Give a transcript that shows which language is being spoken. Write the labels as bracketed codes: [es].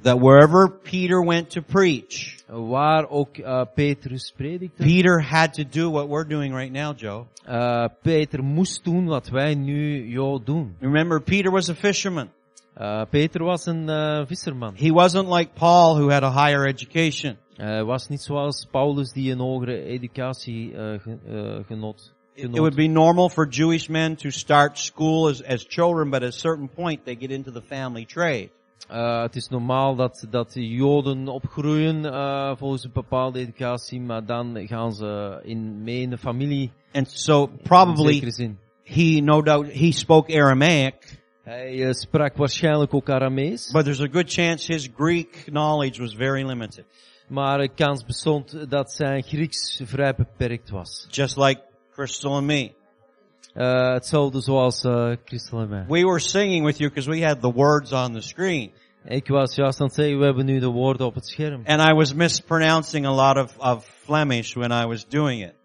[en] That wherever Peter went to preach, [nl] waar ook Petrus predikte, [en] Peter had to do what we're doing right now, Joe. [nl] Peter moest doen wat wij nu, Joe, doen. [en] Remember, Peter was a fisherman. [nl] Peter was een visserman. [en] He wasn't like Paul, who had a higher education. [nl] Was niet zoals Paulus die een hogere educatie genoot. [en] It would be normal for Jewish men to start school as children, but at a certain point they get into the family trade. [nl] Het is normaal dat de Joden opgroeien volgens een bepaalde educatie, maar dan gaan ze mee in de familie. [en] And so probably he no doubt he spoke Aramaic. [nl] Hij sprak waarschijnlijk ook Aramees. [en] But there's a good chance his Greek knowledge was very limited. [nl] Maar de kans bestond dat zijn Grieks vrij beperkt was. [en] Just like Crystal and me. [nl] Hetzelfde zoals Crystal en mij. [en] We were singing with you because we had the words on the screen. [nl] Ik was juist aan het zeggen, we hebben nu de woorden op het scherm. [en] And I was mispronouncing a lot of Flemish when I was doing it.